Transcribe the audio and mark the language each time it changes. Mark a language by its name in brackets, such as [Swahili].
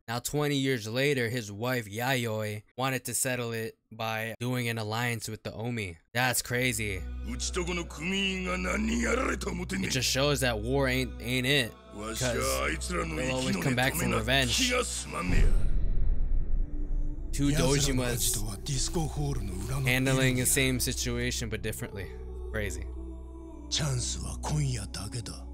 [English] Now 20 years later, his wife Yayoi wanted to settle it by doing an alliance with the Omi. That's crazy. [Japanese] うちとこの組員が何やられた思てね。 [English] It just shows that war ain't it. Because they'll always come back from revenge. [Japanese] 気が済まんねや。 [English] Two Dojimas handling the same situation but differently. Crazy. [Japanese] チャンスは今夜だけだ。